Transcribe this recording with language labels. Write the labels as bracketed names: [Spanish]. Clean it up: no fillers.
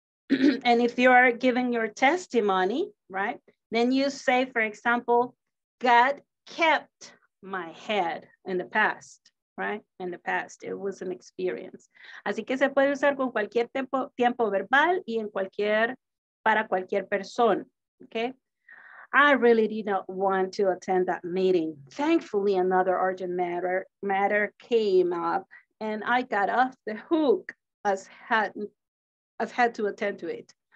[English] And if you are giving your testimony, right, then you say, for example, God kept my head in the past. Right, in the past, it was an experience. [Spanish] Así que se puede usar con cualquier tiempo verbal y en cualquier, para cualquier persona, okay? [English] I really did not want to attend that meeting. Thankfully, another urgent matter came up and I got off the hook as had to attend to it.